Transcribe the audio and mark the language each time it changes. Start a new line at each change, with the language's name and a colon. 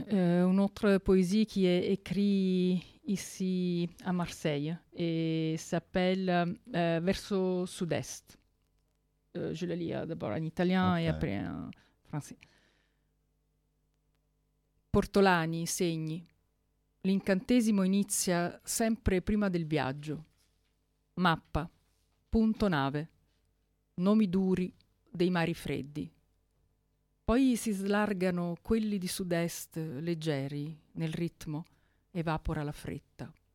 Italian: Un'altra poesia che è scritta
French: ici a Marseille e s'appelle
Italian: Verso Sud-Est.
French: Je la lis d'abord en italien okay. Et après en français.
Italian: Portolani, segni. L'incantesimo inizia sempre prima del viaggio. Mappa, punto nave, nomi duri dei mari freddi. Poi si slargano quelli di sud-est leggeri nel ritmo, evapora la fretta.